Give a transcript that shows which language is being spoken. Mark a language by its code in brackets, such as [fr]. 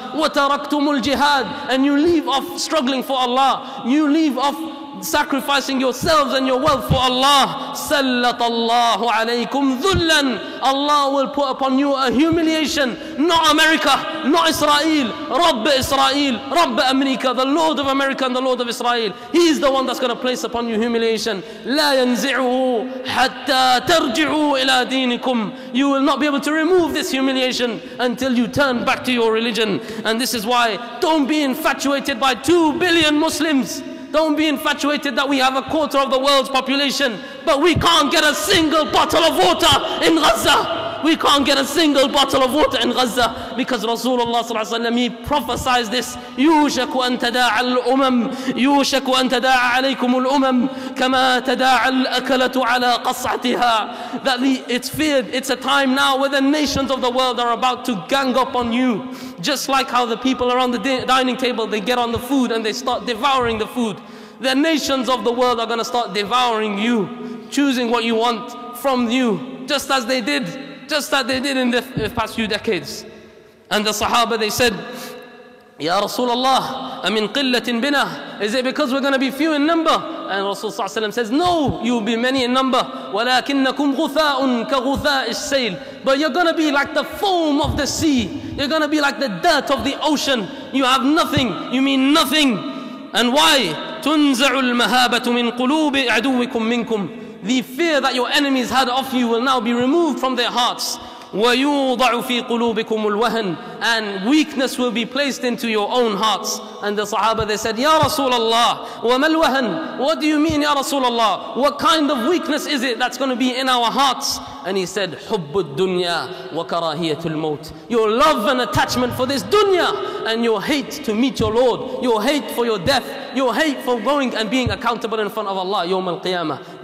[ar] وتركتم الجهاد, [en] and you leave off struggling for Allah, you leave off sacrificing yourselves and your wealth for Allah. [ar] سلط الله عليكم ذلا, [en] Allah will put upon you a humiliation. Not America, not Israel. [ar] رب إسرائيل, رب أمريكا, [en] the Lord of America and the Lord of Israel. He is the one that's going to place upon you humiliation. [ar] لا ينزعه حتى ترجعوا إلى دينكم. [en] You will not be able to remove this humiliation until you turn back to your religion. And this is why, don't be infatuated by 2 billion Muslims. Don't be infatuated that we have a quarter of the world's population, but we can't get a single bottle of water in Gaza. We can't get a single bottle of water in Gaza, because Rasulullah sallallahu alaihi wasallam, he prophesied this. [ar] يوشك أن تداعى الأمم, يوشك أن تداعى عليكم الأمم كما تداعى الأكلة على قصعتها. [en] That it's feared, it's a time now where the nations of the world are about to gang up on you, just like how the people around the dining table, they get on the food and they start devouring the food. The nations of the world are going to start devouring you, choosing what you want from you, just as they did. Just that they did in the past few decades. And the Sahaba, they said, Ya Rasulullah, [ar] amin qillatin bina? [en] Is it because we're going to be few in number? And Rasul Sallallahu Alaihi Wasallam says, no, you'll be many in number. [ar] ولكنكم غثاء كغثاء السيل. [en] But you're going to be like the foam of the sea. You're going to be like the dirt of the ocean. You have nothing. You mean nothing. And why? [ar] تنزع المهابة من قلوب عدوكم منكم. [en] The fear that your enemies had of you will now be removed from their hearts. [ar] وَيُوضَعُ فِي قُلُوبِكُمُ الْوَهَنِ, [en] and weakness will be placed into your own hearts. And the Sahaba, they said, Ya Rasulullah, [ar] وَمَا الْوَهَنِ, [en] what do you mean, Ya Rasulullah? What kind of weakness is it that's going to be in our hearts? And he said, [ar] حُبُّ الدُّنْيَا وَكَرَاهِيَةُ الْمَوْتِ, [en] your love and attachment for this dunya, and your hate to meet your Lord, your hate for your death, your hate for going and being accountable in front of Allah, [ar] يوم القيامة.